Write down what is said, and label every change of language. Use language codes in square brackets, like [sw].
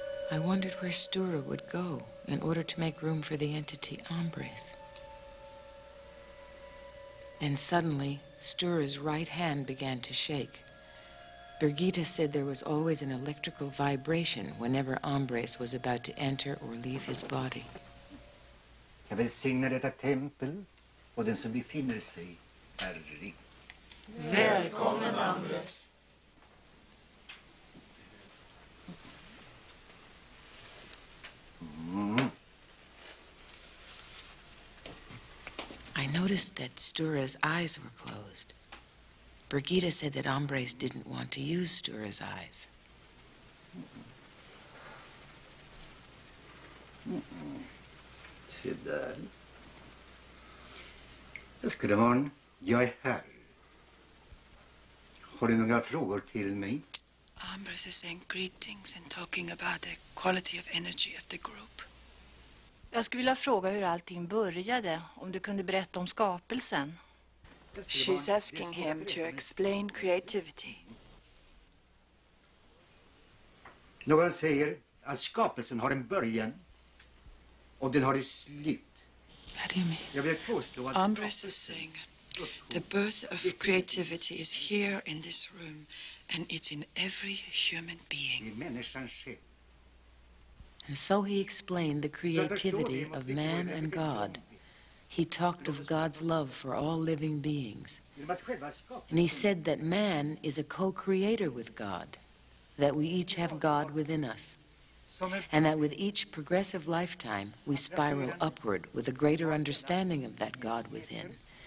[en] I wondered where Stura would go in order to make room for the entity Ombres. Then suddenly, Stura's right hand began to shake. Birgitta said there was always an electrical vibration whenever Ombres was about to enter or leave his body. [sv] Jag välsignar detta tempel och den som befinner sig är rik. Välkommen, Ombres. [en] I noticed that Stura's eyes were closed. Birgitta said that Ombres didn't want to use Stura's eyes. [sv] Se där. Älskade barn, jag är här. Har du några frågor till mig? [en] Ombres is saying greetings and talking about the quality of energy of the group. [sv] Jag skulle vilja fråga hur allting började, om du kunde berätta om skapelsen. [en] She's asking him to explain creativity. [sv] Någon säger att skapelsen har en början och den har ett slut. [en] How do you mean? [sv] Jag vill påstå att [en] Ombres is saying the birth of creativity is here in this room and it's in every human being. [sv] Det är människan själv. [en] And so he explained the creativity of man and God. He talked of God's love for all living beings. And he said that man is a co-creator with God, that we each have God within us, and that with each progressive lifetime, we spiral upward with a greater understanding of that God within.